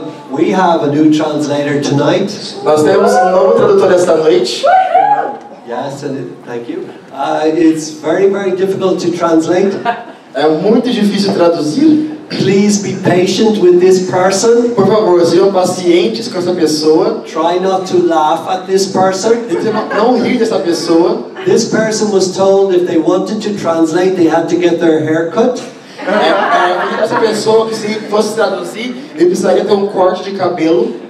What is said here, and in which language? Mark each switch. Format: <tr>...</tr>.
<en>We have a new translator tonight.</en> <pt>Nós temos novo tradutor esta noite.</pt> <en>Yes, and thank you. It's very, very difficult to translate.</en> <pt>É muito difícil traduzir.</pt> <en>Please be patient with this person.</en> <pt>Por favor, sejam pacientes com essa pessoa.</pt> <en>Try not to laugh at this person.</en> <pt>Não rir dessa pessoa.</pt> <en>This person was told if they wanted to translate, they had to get their hair cut.</en> <pt>Essa pessoa que se fosse traduzir, ele precisaria ter corte de cabelo.</pt>